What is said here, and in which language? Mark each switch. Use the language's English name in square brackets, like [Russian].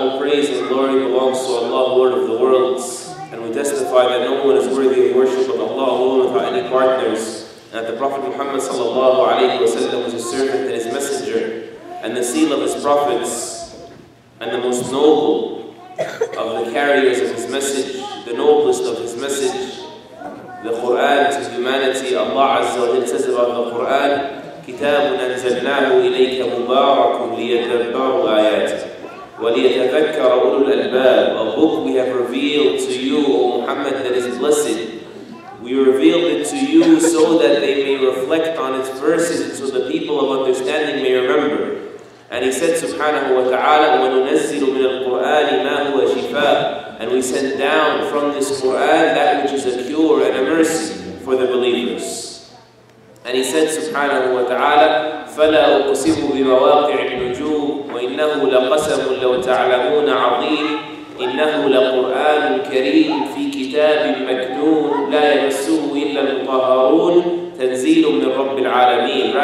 [English] All praise and glory belongs to Allah, Lord of the worlds. And we testify that no one is worthy of worship but Allah alone without any partners. And that the Prophet Muhammad sallallahu alayhi wa sallam was his servant and his messenger. And the seal of his prophets. And the most noble of the carriers of his message. The noblest of his message. The Qur'an to humanity. Allah azza wa jalla says about the Qur'an, [Arabic] كتاب أنزلناه إليك مبارك ليتدبروا آياته وليتذكر أولو الألباب. [English] A book we have revealed to you, O Muhammad, that is blessed. We revealed it to you so that they may reflect on its verses and so the people of understanding may remember. And he said, [Arabic] سبحانه وتعالى وننزل من القرآن ما هو شفاء. [English] And we send down from this Quran that which is a cure and a mercy for the believers. And he said, subhanahu wa ta'ala, [Arabic] فَلَا أُقْسِمُ بِمَوَاقِعِ النُّجُومِ وَإِنَّهُ لَقَسَمٌ لَوْ تَعْلَمُونَ عَظِيمٌ إِنَّهُ لَقُرْآنٌ كَرِيمٌ فِي كِتَابٍ مَكْنُونٌ لَا يَمَسُّهُ إِلَّا الْمُطَهَّرُونَ تَنْزِيلٌ مِنْ رَبِّ الْعَالَمِينَ.